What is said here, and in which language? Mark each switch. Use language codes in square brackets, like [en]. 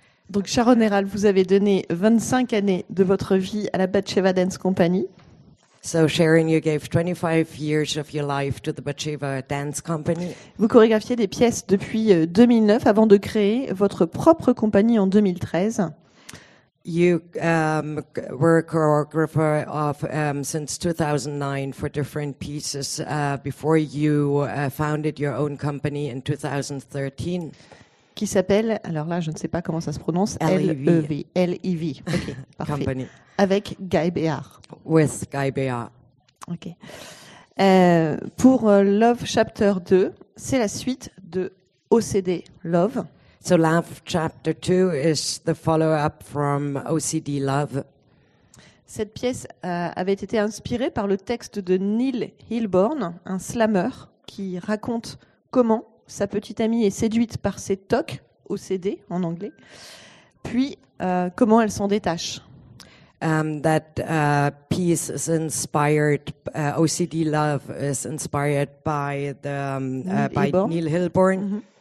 [fr] Donc, Sharon Eyal, vous avez donné 25 années de votre vie à la Bat Sheva Dance Company. [en] So Sharon, you gave 25 years of your life to the Bat Sheva Dance Company. [fr] Vous chorégraphiez des pièces depuis 2009 avant de créer votre propre compagnie en 2013. [en] You were a choreographer of since 2009 for different pieces before you founded your own company in 2013. [fr] Qui s'appelle, alors là je ne sais pas comment ça se prononce, L-E-V. L-E-V. Ok, parfait. Company. Avec Gué Béhar. [en] With Gué Béhar. Ok. [fr] Pour Love Chapter 2, c'est la suite de OCD Love. [en] So Love Chapter 2 is the follow-up from OCD Love. [fr] Cette pièce avait été inspirée par le texte de Neil Hilborn, un slammer, qui raconte comment sa petite amie est séduite par ses TOC, OCD en anglais, puis comment elle s'en détache. [en] That piece is inspired, OCD Love is inspired by the Neil Hilborn, mm-hmm.